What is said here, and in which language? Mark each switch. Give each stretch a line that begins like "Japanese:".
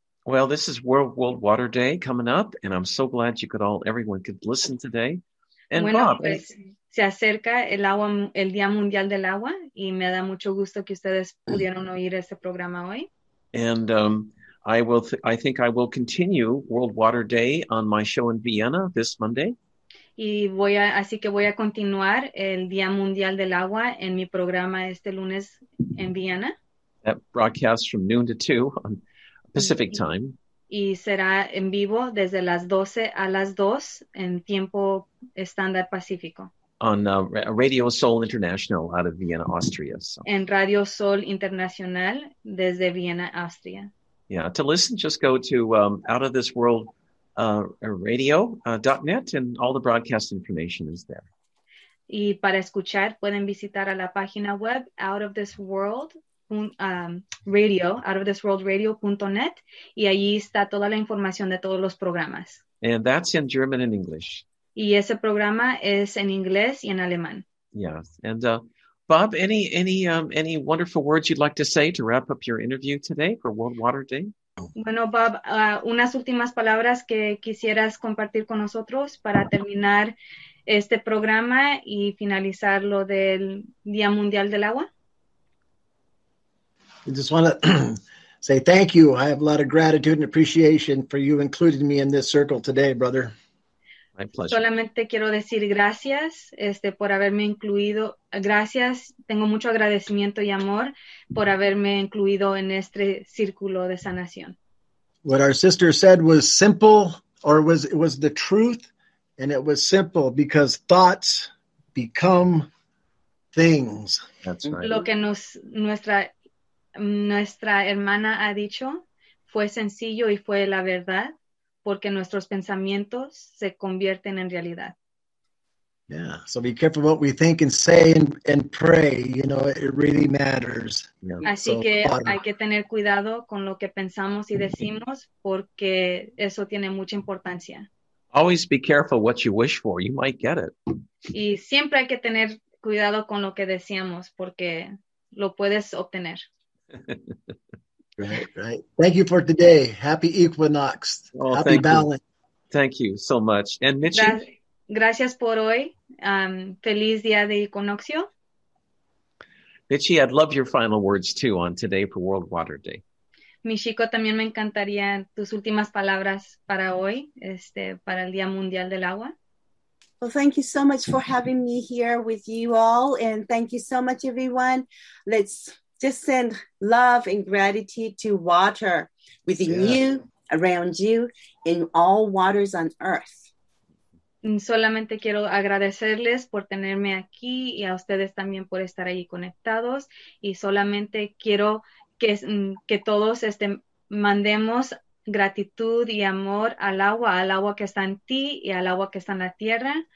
English: Well, this is World Water Day coming up, and I'm so glad everyone could listen today. And
Spanish: bueno,
English: Bob,
Spanish: pues, se acerca el Día Mundial del Agua, y me da mucho gusto que ustedes pudieron oír este programa hoy.
English: And I think I will continue World Water Day on my show in Vienna this Monday.
Spanish: Y voy a continuar el Día Mundial del Agua en mi programa este lunes en Viena.
English: That broadcasts from noon to 2 on Pacific time.
Spanish: Y será en vivo desde las 12 a las 2 en tiempo estándar pacífico.
English: On Radio Sol International out of Vienna, Austria. So.
Spanish: En Radio Sol Internacional desde Viena, Austria.
English: Yeah, to listen, just go to Out of This World radio.net and all the broadcast information is there.
Spanish: Y para escuchar pueden visitar a la página web out of this world radio.net y allí está toda la información de todos los programas.
English: And that's in German and English.
Spanish: Y ese programa es en inglés y en alemán.
English: Yes. And Bob, any wonderful words you'd like to say to wrap up your interview today for World Water Day?
Spanish: Bueno, Bob, unas últimas palabras que quisieras compartir con nosotros para terminar este programa y finalizar lo del Día Mundial del Agua.
English: I just want to say thank you. I have a lot of gratitude and appreciation for you including me in this circle today, brother. My pleasure.
Spanish: Solamente quiero decir gracias por haberme incluido. Gracias, tengo mucho agradecimiento y amor por haberme incluido en este círculo de sanación.
English: What our sister said was simple, or it was the truth, and it was simple because thoughts become things. That's right.
Spanish: Lo que nuestra hermana ha dicho fue sencillo y fue la verdad. Porque nuestros pensamientos se convierten en realidad.
English: Yeah, so be careful what we think and say and pray, you know, it really matters. Yeah.
Spanish: Así que hay que tener cuidado con lo que pensamos y decimos, porque eso tiene mucha importancia.
English: Always be careful what you wish for, you might get it.
Spanish: Y siempre hay que tener cuidado con lo que deseamos, porque lo puedes obtener.
English: Right. Thank you for today. Happy equinox. Oh, happy balance. Thank you so much. And Mitchie.
Spanish: Gracias por hoy. Feliz día de equinoccio.
English: Mitchie, I'd love your final words too on today for World Water Day.
Spanish: Michiko, también me encantaría tus últimas palabras para hoy, para el Día Mundial del Agua.
English: Well, thank you so much for having me here with you all, and thank you so much, everyone. Let's just send love and gratitude to water within you, around you, in all waters on earth.
Spanish: Solamente quiero agradecerles por tenerme aquí y a ustedes también por estar ahí conectados. Y solamente quiero que todos mandemos gratitud y amor al agua que está en ti y al agua que está en la tierra.